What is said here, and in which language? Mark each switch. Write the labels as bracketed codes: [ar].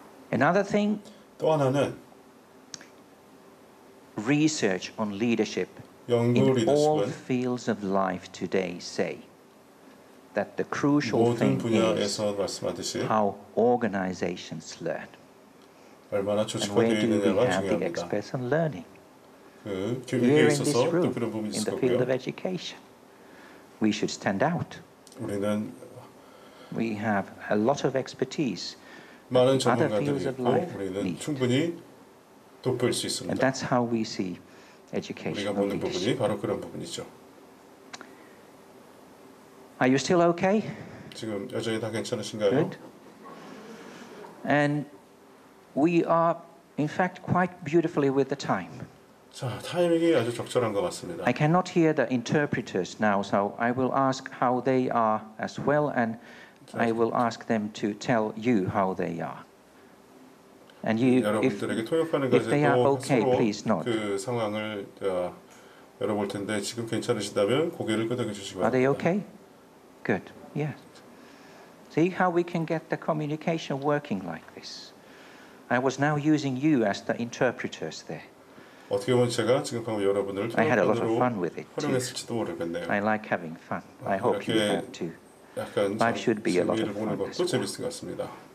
[en] Another thing, research on leadership in all fields of life today say that the crucial thing is how organizations learn. And where do we have the experts on learning? Here in this room, in the field of education, we should stand out. We have a lot of expertise [ko] 많은 전문가들이 있고 우리는 충분히 돕을 수 있습니다. [en] And that's how we see education. [ko] 우리가 보는 부분이 바로 그런 부분이죠. [en] Are you still okay? [ko] 지금 여전히 다 괜찮으신가요? [en] Good. And we are, in fact, quite beautifully with the time. [ko] 자, 타이밍이 아주 적절한 것 같습니다. [en] I cannot hear the interpreters now, so I will ask how they are as well, and I will ask them to tell you how they are. And you, if they are okay, please nod. [ko] 그 상황을 열어볼 텐데 지금 괜찮으시다면 고개를 끄덕여 주시기 바랍니다. [en] Are they okay? Good. Yes. See how we can get the communication working like this. I was now using you as the interpreters there. [ko] 어떻게 보면 제가 지금 방금 여러분을 통역관으로 활용했을지도 모르겠네요. [en] I like having fun. I hope you have too. Life should be a lot of fun. [ko] 재미를 보는 것도 재밌을 것 같습니다.